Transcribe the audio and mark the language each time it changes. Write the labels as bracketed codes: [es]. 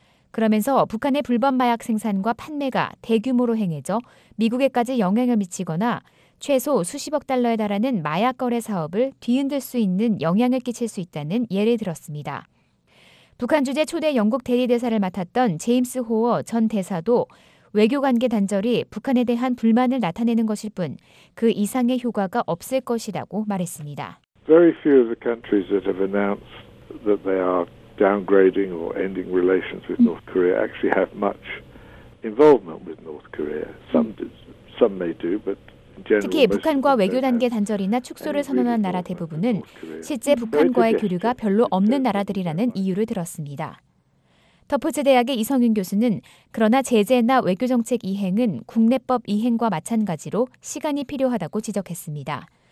[ko] 그러면서 북한의 불법 마약 생산과 판매가 대규모로 행해져 미국에까지 영향을 미치거나 최소 수십억 달러에 달하는 마약 거래 사업을 뒤흔들 수 있는 영향을 끼칠 수 있다는 예를 들었습니다. 북한 주재 초대 영국 대리대사를 맡았던 제임스 호어 전 대사도 외교관계 단절이 북한에 대한 불만을 나타내는 것일 뿐 그 이상의 효과가 없을 것이라고 말했습니다. [en] Very few of the countries that have announced that they are downgrading or ending relations with North Korea actually have much involvement with North Korea. Some may do, but generally, [ko] 특히 북한과 외교 단계 단절이나 축소를 선언한 나라 대부분은 실제 북한과의 교류가 별로 없는 나라들이라는 이유를 들었습니다. 터프츠 대학의 이성윤 교수는 그러나 제재나 외교 정책 이행은 국내법 이행과 마찬가지로 시간이 필요하다고 지적했습니다.